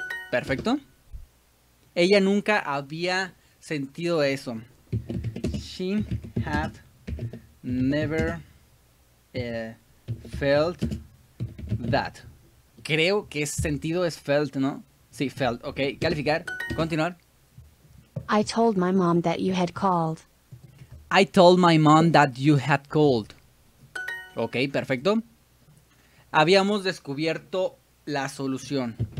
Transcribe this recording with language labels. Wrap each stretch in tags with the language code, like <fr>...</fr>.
<es>Perfecto. Ella nunca había sentido eso.</es> <en>She had never Felt that.</en> <es>Creo que ese sentido es felt, ¿no? Sí, felt. Ok, calificar. Continuar.</es> <en>I told my mom that you had called. I told my mom that you had called.</en> <es>Ok, perfecto. Habíamos descubierto la solución.</es>